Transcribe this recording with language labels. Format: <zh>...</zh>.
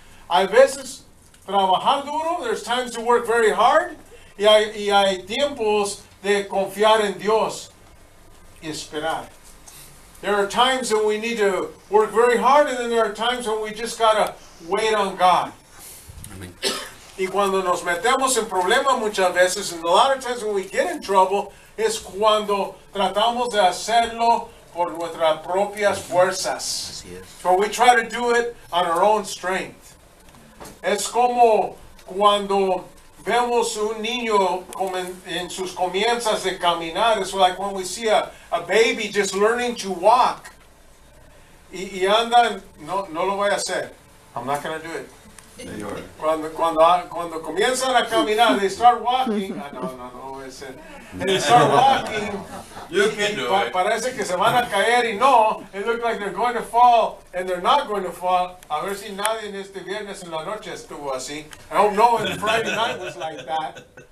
<es>Hay veces trabajar duro,</es> <en>there's times to work very hard,</en> <es>y hay tiempos de confiar en Dios y esperar.</es> <en>There are times that we need to work very hard, and then there are times when we just gotta wait on God. Amen.</en> <es>Y cuando nos metemos en problemas muchas veces,</es> <en>and a lot of times when we get in trouble,</en> <es>es cuando tratamos de hacerlo por nuestras propias fuerzas. Así es.</es> <en>So we try to do it on our own strength.</en> <es>Es como cuando vemos un niño en sus comienzas de caminar.</es> <en>It's like when we see a baby just learning to walk.</en> <es>Y andan, no lo voy a hacer.</es> <en>I'm not going to do it.</en> <es>Cuando comienzan a caminar,</es> <en>they start walking.</en> <es>No voy a hacer.</es> <en>They start walking. You can do it.</en> <es>Parece que se van a caer y no.</es> <en>It looks like they're going to fall and they're not going to fall.</en> <es>A ver si nadie en este viernes en la noche estuvo así.</es> <en>I don't know if Friday night was like that.</en>